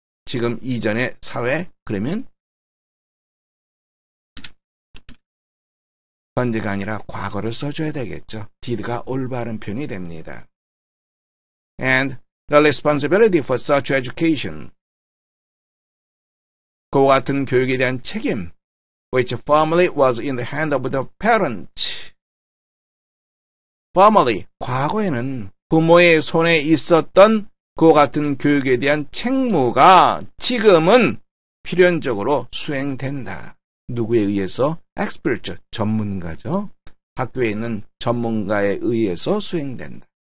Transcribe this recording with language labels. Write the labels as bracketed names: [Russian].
[Korean] 지금 이전의 사회, 그러면 현재가 아니라 과거를 써줘야 되겠죠. did가 올바른 표현이 됩니다. [English] And the responsibility for such education. [Korean] 그와 같은 교육에 대한 책임. [English] Which formerly was in the hand of the parents. [Korean] Formerly, 과거에는 부모의 손에 있었던 그와 같은 교육에 대한 책무가 지금은 필연적으로 수행된다. 누구에 의해서? Expert죠. 전문가죠. 학교에 있는 전문가에 의해서 수행된다.